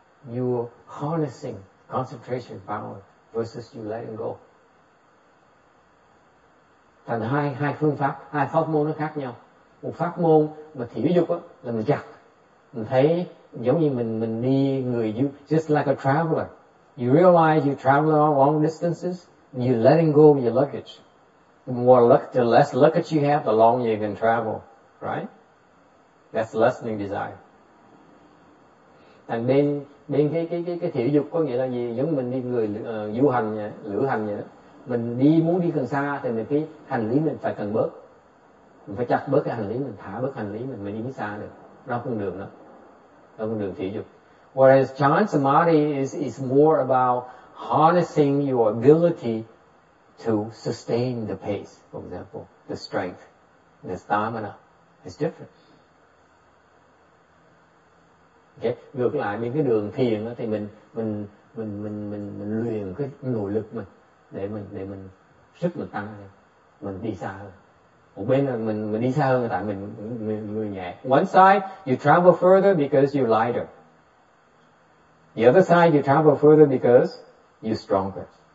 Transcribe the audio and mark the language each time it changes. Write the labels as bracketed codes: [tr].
[en] You are harnessing concentration power versus you letting go. [vi] Thành hai phương pháp, hai pháp môn nó khác nhau. Một pháp môn mà thiểu dục á là mình chặt, mình thấy giống như mình đi người du, [en] just like a traveler. You realize you travel long distances, you're letting go of your luggage. The less luggage you have, the longer you can travel, right? That's lessening desire. [vi] And bên cái thiểu dục có nghĩa là gì? Giống mình đi người du hành, lữ hành vậy đó. Mình đi muốn đi cần xa thì mình cái hành lý mình phải cần bớt. Mình phải chặt bớt cái hành lý, mình thả bớt hành lý mình mới đi mới xa được. Đó con đường đó. [en] Whereas chan samadhi is more about harnessing your ability to sustain the pace, for example, the strength, the stamina. It's different. Okay. [vi] Ngược lại bên cái đường thiền đó, thì mình luyện cái nội lực mình để mình sức mình tăng lên, mình đi xa hơn. Một bên là mình đi xa hơn tại mình người nhẹ. [en] One side, you travel further because you're lighter. The other side, you travel further because you're stronger.